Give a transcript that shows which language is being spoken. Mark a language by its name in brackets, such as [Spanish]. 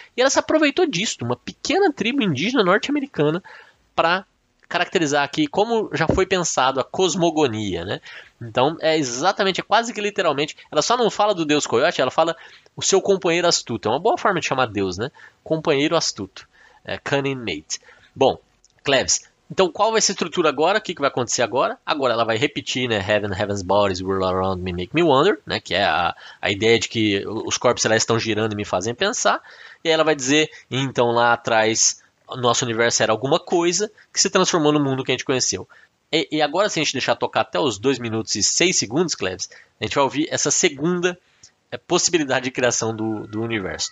[Portuguese] E ela se aproveitou disso, uma pequena tribo indígena norte-americana, para caracterizar aqui como já foi pensado a cosmogonia, né? Então, é exatamente, é quase que literalmente. Ela só não fala do Deus Coyote, ela fala o seu companheiro astuto. É uma boa forma de chamar Deus, né? Companheiro astuto. É, [English] cunning mate. [Portuguese] Bom, Cleves. Então, qual vai ser a estrutura agora? O que vai acontecer agora? Agora ela vai repetir, né? [English] Heaven, heaven's bodies, whirl around me, make me wonder, [Portuguese] né? Que é a ideia de que os corpos celestes estão girando e me fazem pensar. E aí ela vai dizer, então lá atrás, nosso universo era alguma coisa que se transformou no mundo que a gente conheceu. E agora, se a gente deixar tocar até os 2 minutos e 6 segundos, Cleves, a gente vai ouvir essa segunda possibilidade de criação do universo.